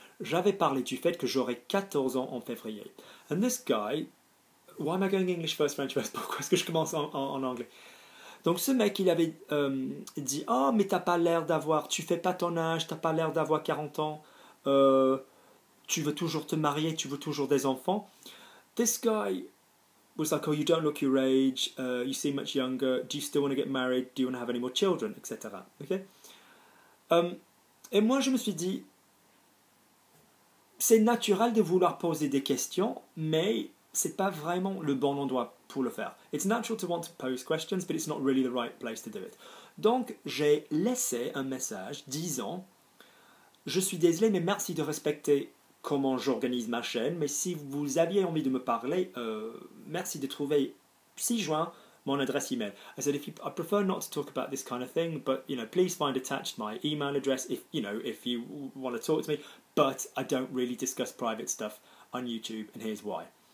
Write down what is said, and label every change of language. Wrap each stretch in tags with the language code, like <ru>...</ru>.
<fr>J'avais parlé du fait que j'aurais 14 ans en février.</fr> <en>And this guy, why am I going English first, French first?</en> <fr>Pourquoi est-ce que je commence en anglais? Donc ce mec, il avait dit, oh, mais t'as pas l'air d'avoir, tu fais pas ton âge, t'as pas l'air d'avoir 40 ans, tu veux toujours te marier, tu veux toujours des enfants.</fr> <en>This guy was like, oh, you don't look your age, you seem much younger, do you still want to get married, do you want to have any more children, etc. Okay?</en> <fr>Et moi, je me suis dit, c'est naturel de vouloir poser des questions, mais c'est pas vraiment le bon endroit pour le faire.</fr> <en>It's natural to want to pose questions, but it's not really the right place to do it.</en> <fr>Donc, j'ai laissé un message disant, je suis désolé, mais merci de respecter comment j'organise ma chaîne, mais si vous aviez envie de me parler, merci de trouver 6 juin mon adresse email.</fr> <en>I said, I prefer not to talk about this kind of thing, but you know, please find attached my email address if you want to talk to me, but I don't really discuss private stuff on YouTube, and here's why.</en>